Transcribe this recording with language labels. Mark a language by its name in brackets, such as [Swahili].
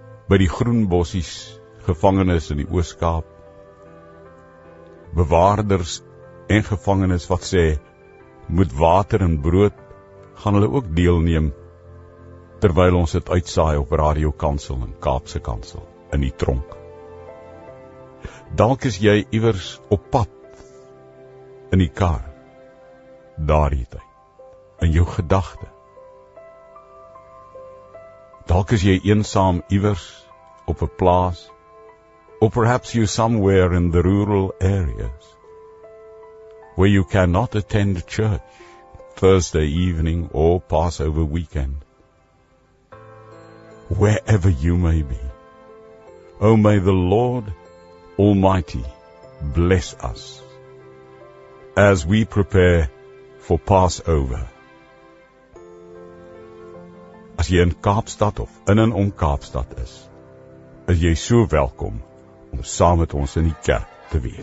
[Afrikaans] by die Groenbossies gevangenis in die Ooskaap, bewaarders en gevangenes wat sê, moet water en brood, gaan hulle ook deelneem, terwyl ons het uitsaai op Radio Kansel en Kaapse Kansel, in die tronk. Dalk is jy iewers op pad, in die kar, daar die tyd, in jou gedagte. Dalk is jy eensaam iewers, op 'n plaas, [English] or perhaps you somewhere in the rural areas where you cannot attend church Thursday evening or Passover weekend. Wherever you may be, oh, may the Lord Almighty bless us as we prepare for Passover. [Afrikaans] As jy in Kaapstad of in en om Kaapstad is, is jy so welkom om saam met ons in die kerk te wees.